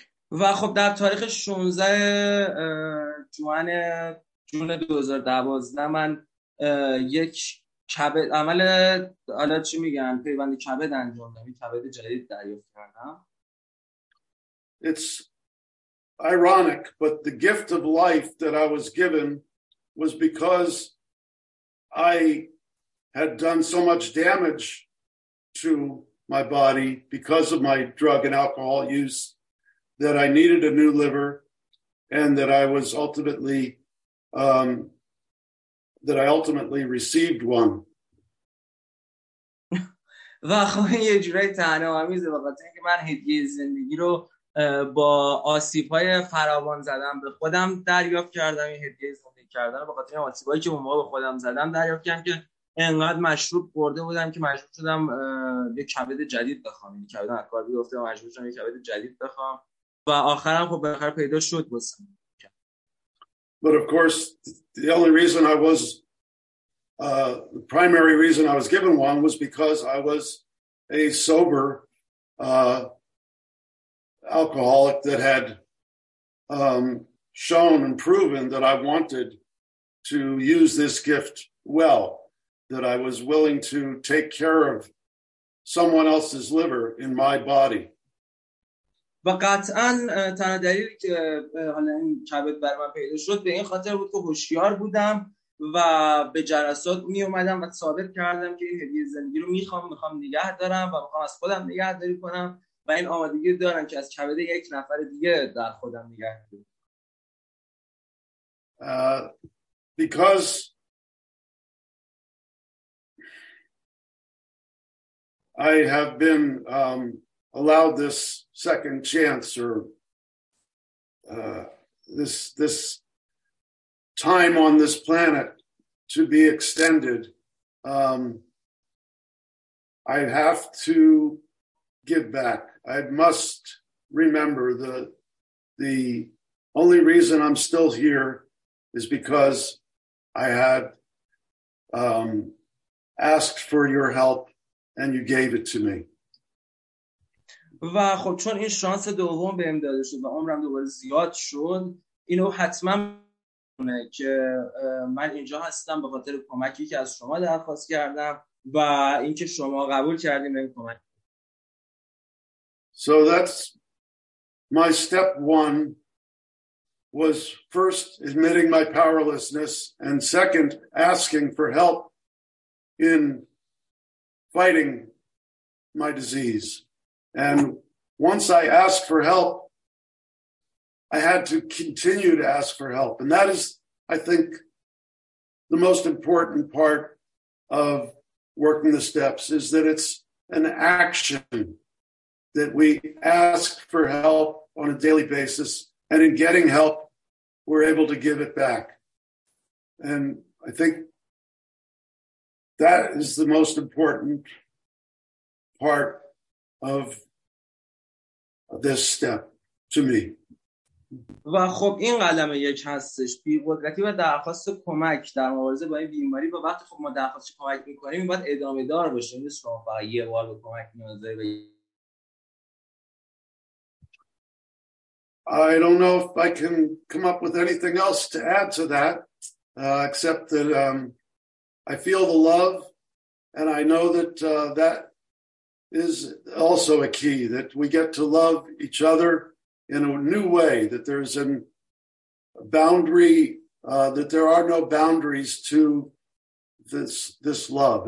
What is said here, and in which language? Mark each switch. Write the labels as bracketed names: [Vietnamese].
[Persian] و خب در تاریخ 16 جون 2012 من یک کبد، عمل حالا چی میگن، پیوند کبد انجام دادم، کبد جدید دریافت کردم. [English] It's ironic, but the gift of life that I was given was because I had done so much damage to my body because of my drug and alcohol use, that I needed a new liver, and that I was ultimately that I ultimately received one. [Persian] و خب یه جوری طعنه‌آمیزه بابت اینکه من هدیه زندگی رو با آسیب‌های فراوان زدم به خودم دریافت کردم، این هدیه زندگی کردن رو بخاطر آسیبایی که اون موقع به خودم زدم دریافت کردم که انقدر مشروب خورده بودم که مجبور شدم یه کبد جدید بخوام، یعنی کبدم از کار بیفته، مجبور شدم یه کبد جدید بخوام و آخرام خب بالاخره پیدا شد واسم. [English] But of course the only reason I was the primary reason I was given one was because I was a sober alcoholic that had shown and proven that I wanted to use this gift well, that I was willing to take care of someone else's liver in my body. [Persian] و قطعاً تنها دلیلی که حالا این کبد برام پیدا شد به این خاطر بود که هوشیار بودم و به جلسات می اومدم و ثابت کردم که این هدیه زندگی رو میخوام نگه دارم و میخوام از خودم نگهداری کنم و این آمادگی دارم که از کبد یک نفر دیگه در خودم نگه دارم. [English] Because I have been allowed this second chance, or this time on this planet to be extended. I have to give back. I must remember that the only reason I'm still here is because I had asked for your help. And you gave it to me. [Persian] و خب چون این شانس دوم بهم داده شد و عمرم دوباره زیاد شد، اینو حتما میدونه که من اینجا هستم به خاطر کمکی که از شما درخواست کردم و اینکه شما قبول کردین این کمک. [English] So that's my step one, was first admitting my powerlessness and second asking for help in fighting my disease. And once I asked for help, I had to continue to ask for help. And that is, I think, the most important part of working the steps, is that it's an action that we ask for help on a daily basis. And in getting help, we're able to give it back. And I think that is the most important part of this step to me. [Persian] و خب این قدم یک هستش، بی قدرتی و درخواست کمک در مبارزه با این بیماری. و وقتی خب ما درخواست کمک میکنیم، باید ادامه دار باشه، نیست شما فقط یه بار به کمک نیاز دارید. [English] I don't know if I can come up with anything else to add to that, except that I feel the love, and I know that that is also a key, that we get to love each other in a new way, that there's a boundary, that there are no boundaries to this love.